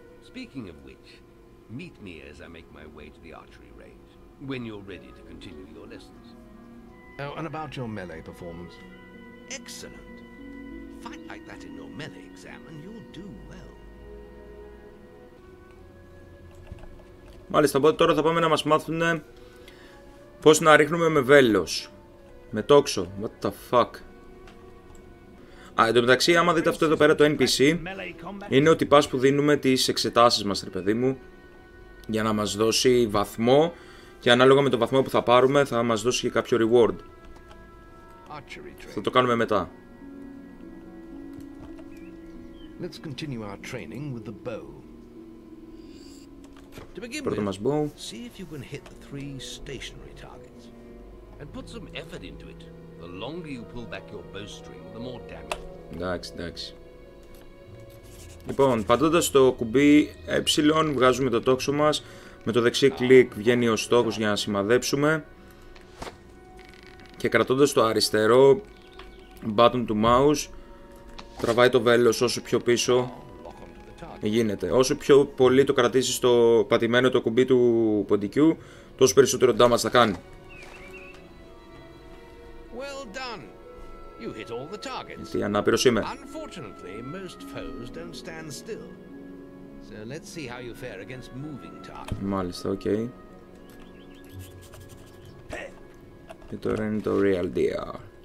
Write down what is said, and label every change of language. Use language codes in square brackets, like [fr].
[en] Speaking of which, meet me as I make my way to the archery range when you're ready to continue your lessons. Oh, and about your melee performance. Excellent. Fight like that in your melee exam and you'll do well. [el] Μάλιστα, οπότε τώρα θα πάμε να μας μάθουνε πώς να ρίχνουμε με βέλος. Με τόξο. [en] What the fuck. [el] Α, εν τω μεταξύ, άμα δείτε αυτό εδώ πέρα το NPC, είναι ο τυπάς που δίνουμε τις εξετάσεις μας, ρε παιδί μου, για να μας δώσει βαθμό, και ανάλογα με το βαθμό που θα πάρουμε θα μας δώσει και κάποιο reward. Θα το κάνουμε μετά. [en] Let's continue our training with the bow. To begin with, see if you can hit the three stationary targets. And put some effort into it. The longer you pull back your bowstring, the more damage. [el] Εντάξει. Λοιπόν, πατώντας το κουμπί εψιλόν βγάζουμε το τόξο μας. Με το δεξί κλικ βγαίνει ο στόχος για να σημαδέψουμε. Και κρατώντας το αριστερό button του mouse, τραβάει το βέλος όσο πιο πίσω γίνεται. Όσο πιο πολύ το κρατήσεις το πατημένο το κουμπί του ποντικού, τόσο περισσότερο damage θα κάνει. [en] Well done. You hit all the targets. [el] Τι ανάπηρος είμαι. [en] Unfortunately, most foes don't stand still. So let's see how you fare against moving targets. [el] Μάλιστα, okay. Και τώρα είναι το [en] real deal.